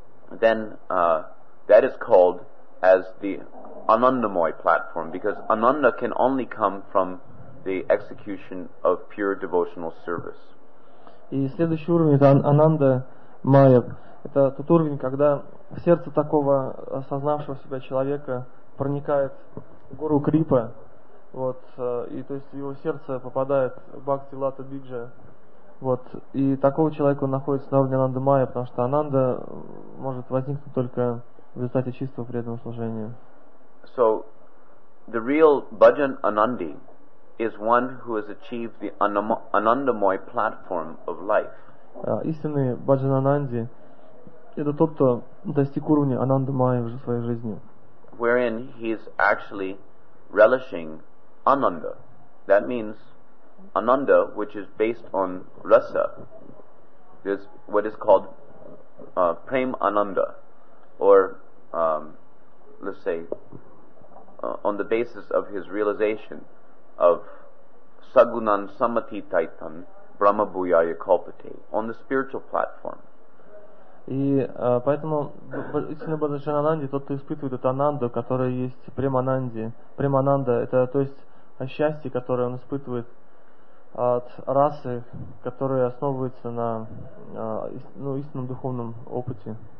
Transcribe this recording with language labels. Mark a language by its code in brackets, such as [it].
[en] then that is called as the anandamoy platform, because ananda can only come from the execution of pure devotional service. [ru] И следующий уровень — это ананда майя. Это тот уровень, когда в сердце такого осознавшего себя человека проникает гуру крипа, вот, и то есть в его сердце попадает бхакти лата биджа, вот, и такого человека он находится на уровне ананда майя, потому что ананда может возникнуть только в результате чистого преданного служения. [en] So the real bhajan anandi is one who has achieved the anandamoy platform of life. [ru] Истинный bhajan ananda — это тот, кто достиг уровня анандамая в своей жизни. [en] Wherein he is actually relishing ananda. That means ananda, which is based on rasa. This what is called prem ananda, or let's say on the basis of his realization of [sa] sagunan samati taitan brahma bhuyaya kalpate, [en] on the spiritual platform. [ru] И поэтому истинный Баджан Ананди — тот, кто испытывает эту ананду, которая есть премананди. Премананда — это то есть счастье, которое он испытывает от расы, которая основывается на истинном духовном опыте.